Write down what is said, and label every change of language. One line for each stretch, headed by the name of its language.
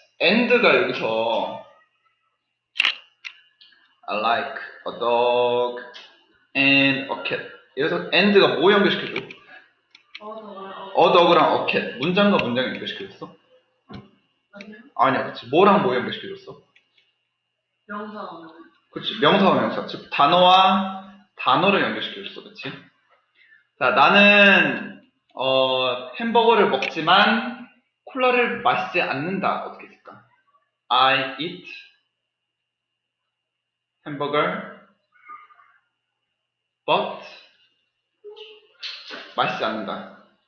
English: And가
Korean: 여기서
English: I like a dog and a cat.
Korean: 여기서 and가 뭐 연결시켜줘?
English: A dog랑 a cat.
Korean: 문장과 문장 연결시켜줬어? 아니요. 아니야, 그치. 뭐랑 뭐 연결시켜줬어? 명사와 명사. 그치. 명사와 명사. 즉, 단어와 단어를 연결시켜줬어. 그치? 자, 나는 햄버거를 먹지만 콜라를 마시지 않는다. 어떻게 될까?
English: I eat hamburger but
Korean: 마시지 않는다.